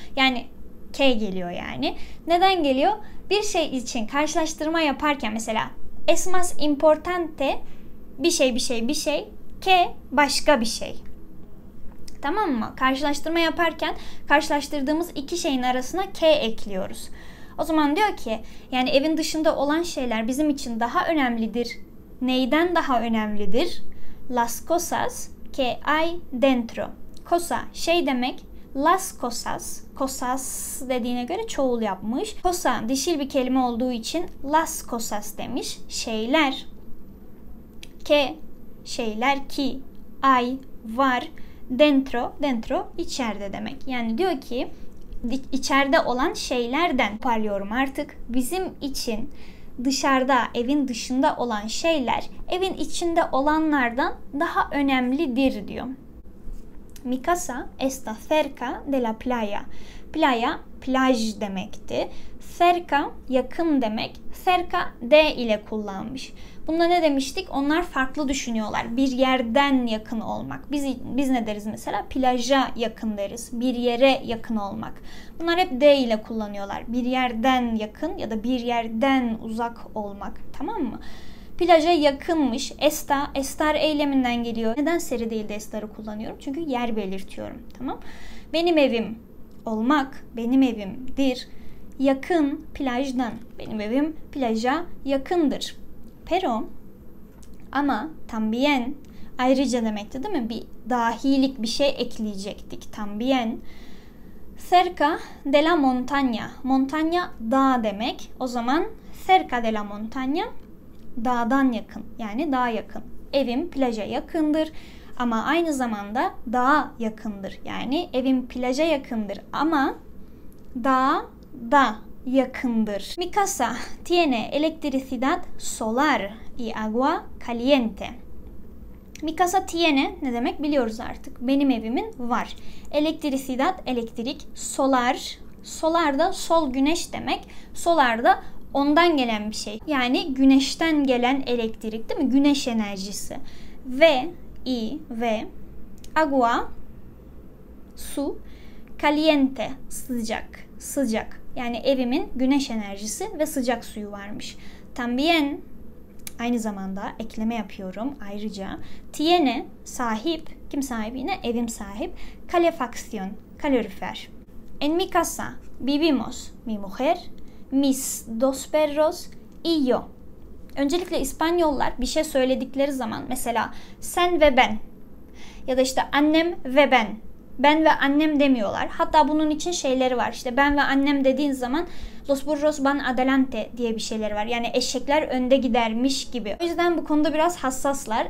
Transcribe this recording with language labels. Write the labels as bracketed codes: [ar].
[tr] Yani K geliyor yani. Neden geliyor? Bir şey için karşılaştırma yaparken mesela [es] es más importante [tr] bir şey bir şey bir şey. K başka bir şey. Tamam mı? Karşılaştırma yaparken karşılaştırdığımız iki şeyin arasına K ekliyoruz. O zaman diyor ki yani evin dışında olan şeyler bizim için daha önemlidir. Neyden daha önemlidir? [es] Las cosas que hay dentro. [tr] Cosa şey demek. [es] Las cosas, [tr] cosas dediğine göre çoğul yapmış. Cosa dişil bir kelime olduğu için [es] las cosas [tr] demiş. Şeyler. Que şeyler ki hay var. Dentro, dentro içeride demek. Yani diyor ki içeride olan şeylerden parlıyorum artık. Bizim için dışarıda, evin dışında olan şeyler, evin içinde olanlardan daha önemlidir diyor. [es] Mi casa está cerca de la playa. [tr] Playa, plaj demekti. Cerca, yakın demek. [es] Cerca de [tr] ile kullanmış. Bunda ne demiştik? Onlar farklı düşünüyorlar. Bir yerden yakın olmak. Biz ne deriz mesela? Plaja yakın deriz. Bir yere yakın olmak. Bunlar hep de ile kullanıyorlar. Bir yerden yakın ya da bir yerden uzak olmak. Tamam mı? Plaja yakınmış. Esta, estar eyleminden geliyor. Neden seri değil de estarı kullanıyorum? Çünkü yer belirtiyorum. Tamam? Benim evim olmak benim evimdir. Yakın plajdan. Benim evim plaja yakındır. Pero, ama también, ayrıca demekti değil mi? Bir dahilik bir şey ekleyecektik. [es] También, cerca de la montaña. [tr] Montaña, dağ demek. O zaman, [es] cerca de la montaña, [tr] dağdan yakın. Yani dağ yakın. Evim plaja yakındır ama aynı zamanda dağ yakındır. Yani evim plaja yakındır ama dağ da yakındır. [es] Mi casa tiene electricidad solar y agua caliente. [tr] Mi casa tiene ne demek biliyoruz artık. Benim evimin var. Electricidad elektrik, solar. Solar da sol güneş demek. Solar da ondan gelen bir şey. Yani güneşten gelen elektrik değil mi? Güneş enerjisi. Ve i ve agua su caliente sıcak. Sıcak. Yani evimin güneş enerjisi ve sıcak suyu varmış. También, aynı zamanda ekleme yapıyorum ayrıca. Tiene, sahip. Kim sahip yine? Evim sahip. Calefacción, kalorifer. [es] En mi casa vivimos mi mujer, mis dos perros y yo. [tr] Öncelikle İspanyollar bir şey söyledikleri zaman mesela sen ve ben ya da işte annem ve ben. Ben ve annem demiyorlar. Hatta bunun için şeyleri var. İşte ben ve annem dediğin zaman [es] Los burros van adelante [tr] diye bir şeyler var. Yani eşekler önde gidermiş gibi. O yüzden bu konuda biraz hassaslar.